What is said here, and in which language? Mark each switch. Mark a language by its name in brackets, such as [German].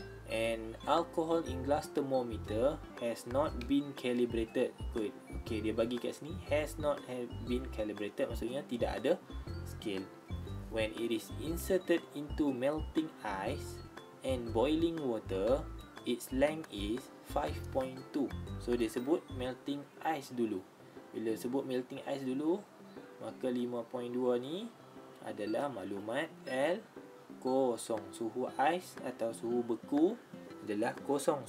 [English] An alcohol in glass thermometer has not been calibrated. Good. Okay, dia bagi kat sini. Has not have been calibrated. [Malay] Maksudnya tidak ada scale. [English] When it is inserted into melting ice and boiling water, its length is 5.2. [Malay] So, dia sebut melting ice dulu. Bila sebut melting ice dulu, maka 5.2 ni adalah maklumat L kosong. Suhu ais atau suhu beku adalah kosong.